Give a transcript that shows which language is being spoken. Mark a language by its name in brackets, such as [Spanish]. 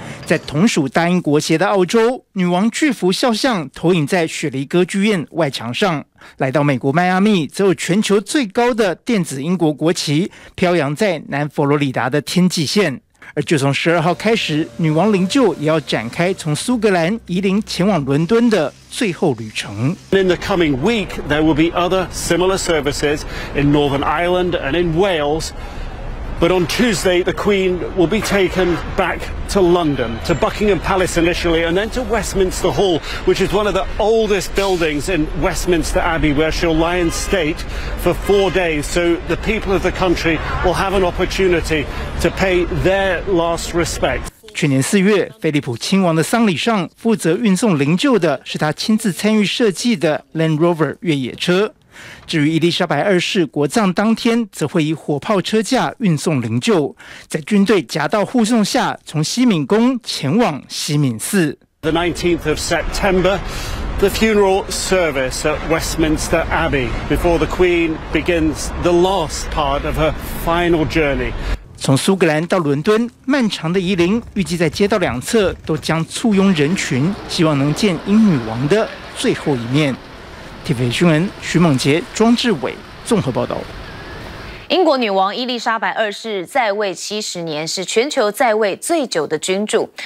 [Chinese] 在同属大英国协的澳洲，女王巨幅肖像投影在雪梨歌剧院外墙上。来到美国迈阿密，则有全球最高的电子英国国旗飘扬在南佛罗里达的天际线。而就从12号开始，女王灵柩也要展开从苏格兰移灵前往伦敦的最后旅程。 [English] In the coming week, there will be other similar services in Northern Ireland and in Wales. But on Tuesday, the Queen will be taken back to London, to Buckingham Palace initially, and then to Westminster Hall, which is one of the oldest buildings in Westminster Abbey, where she'll lie in state for 4 days. So the people of the country will have an opportunity to pay their last respects. [Chinese] 去年四月，菲利普亲王的丧礼上，负责运送灵柩的是他亲自参与设计的 Land Rover 越野车。至于伊丽莎白二世国葬当天，则会以火炮车架运送灵柩，在军队夹道护送下，从西敏宫前往西敏寺。 [English] The 19th of September, the funeral service at Westminster Abbey before the Queen begins the last part of her final journey. [Chinese] 从苏格兰到伦敦，漫长的移灵预计在街道两侧都将簇拥人群，希望能见英女王的最后一面。TVBS 新闻，徐孟杰、庄志伟综合报道。英国女王伊丽莎白二世在位70年，是全球在位最久的君主。